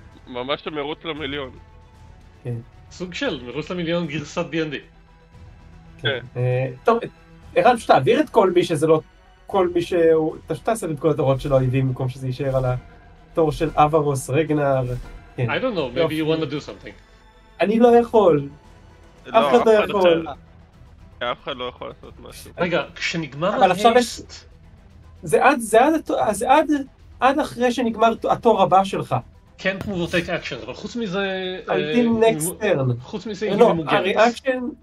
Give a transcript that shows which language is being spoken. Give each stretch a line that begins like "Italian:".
Hebrew: ממש למרוץ למיליון. כן. סוג של מרוץ למיליון גרסת D&D. כן. טוב, ערן, פשוט תעביר את כל מי שזה לא... כל מי שהוא... פשוט תעשה את כל התורות של האויבים במקום שזה יישאר על התור של אברוס, רגנר.
English: I don't know, maybe you want to do something.
Hebrew: אני לא יכול. אף אחד לא יכול. אף אחד לא יכול לעשות משהו. רגע, כשנגמר ההסט... זה עד אחרי שנגמר התור הבא שלך. כן, כמו זה טייק אקשן, אבל חוץ מזה... הייתים נקסט טרן. חוץ מזה היא ממוגרת. לא, הריאקשן...